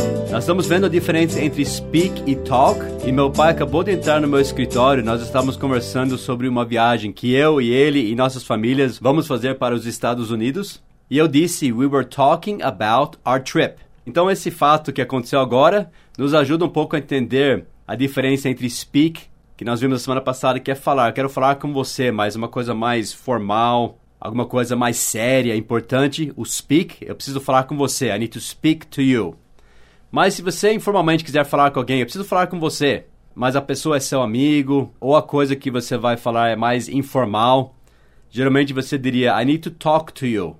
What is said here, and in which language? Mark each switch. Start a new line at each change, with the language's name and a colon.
Portuguese: Nós estamos vendo a diferença entre speak e talk. E meu pai acabou de entrar no meu escritório. Nós estávamos conversando sobre uma viagem que eu e ele e nossas famílias vamos fazer para os Estados Unidos. E eu disse,
English: we were talking about our trip.
Portuguese: Então, esse fato que aconteceu agora nos ajuda um pouco a entender a diferença entre speak, que nós vimos na semana passada, que é falar. Quero falar com você, mas uma coisa mais formal, alguma coisa mais séria, importante, o speak. Eu preciso falar com você.
English: I need to speak to you.
Portuguese: Mas se você informalmente quiser falar com alguém, eu preciso falar com você, mas a pessoa é seu amigo, ou a coisa que você vai falar é mais informal, geralmente você diria,
English: I need to talk to you.